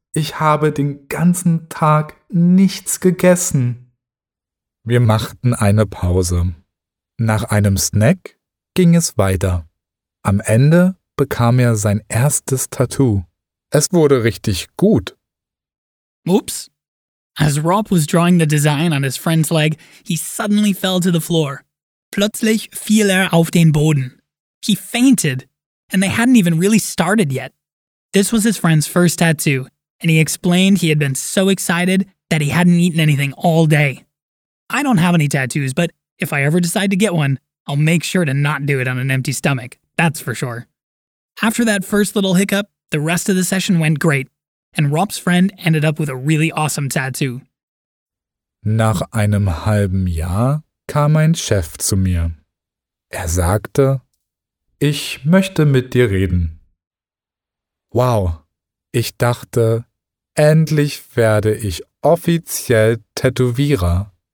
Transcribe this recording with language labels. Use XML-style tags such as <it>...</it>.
<de>Ich habe den ganzen Tag nichts gegessen. Wir machten eine Pause. Nach einem Snack ging es weiter. Am Ende bekam er sein erstes Tattoo. Es wurde richtig gut.</de> <en>Oops. As Rob was drawing the design on his friend's leg, he suddenly fell to the floor.</en> <de>Plötzlich fiel er auf den Boden.</de> <en>He fainted, and they hadn't even really started yet. This was his friend's first tattoo, and he explained he had been so excited that he hadn't eaten anything all day. I don't have any tattoos, but if I ever decide to get one, I'll make sure to not do it on an empty stomach, that's for sure. After that first little hiccup, the rest of the session went great, and Rob's friend ended up with a really awesome tattoo.</en> <de>Nach einem halben Jahr kam ein Chef zu mir. Er sagte, ich möchte mit dir reden. Wow, ich dachte, endlich werde ich offiziell Tätowierer.</de>